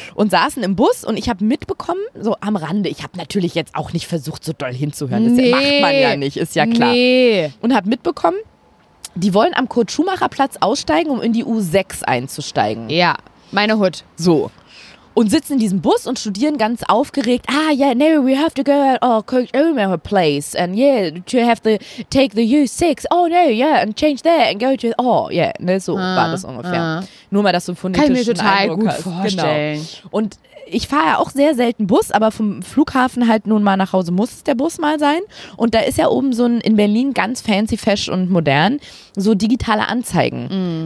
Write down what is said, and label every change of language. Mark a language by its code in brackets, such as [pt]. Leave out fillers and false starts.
[de] Und saßen im Bus und ich habe mitbekommen, so am Rande, ich habe natürlich jetzt auch nicht versucht, so doll hinzuhören. Das macht man ja nicht, ist ja klar. Nee. Und habe mitbekommen, die wollen am Kurt-Schumacher-Platz aussteigen, um in die U6 einzusteigen. Ja, meine Hut. So. Und sitzen in diesem Bus und studieren ganz aufgeregt. [en] Ah, yeah, no, we have to go at our Kurt Schumacher place. And yeah, to have to take the U6. Oh, no, yeah, and change that and go to... Oh, yeah, [de] ne, so war das ungefähr. Nur mal, dass du phonetisch einen Eindruck hast. Kann ich mir total gut vorstellen. Genau. Und ich fahre ja auch sehr selten Bus, aber vom Flughafen halt nun mal nach Hause muss es der Bus mal sein. Und da ist ja oben so ein, in Berlin ganz fancy, fesch und modern, so digitale Anzeigen.